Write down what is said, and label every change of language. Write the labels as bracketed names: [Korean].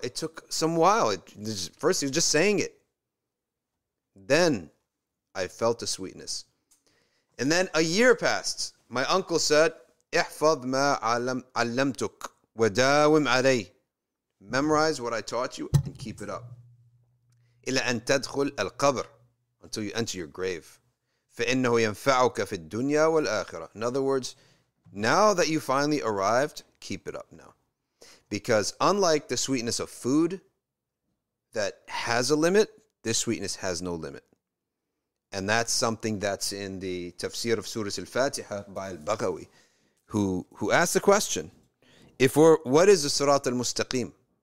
[English] It took some while. First, he was just saying it. Then I felt the sweetness. And then a year passed. My uncle said, [Arabic] احفظ ما علمتك وداوم علي. [English] Memorize what I taught you and keep it up. [Arabic] إلى أن تدخل القبر. [English] Until you enter your grave. [Arabic] فإنه ينفعك في الدنيا والآخرة. [English] In other words, now that you finally arrived, keep it up now. Because unlike the sweetness of food that has a limit, this sweetness has no limit. And that's something that's in the tafsir of Surah Al-Fatiha by Al-Baghawi, who asked the question, what is the Sirat Al-Mustaqim?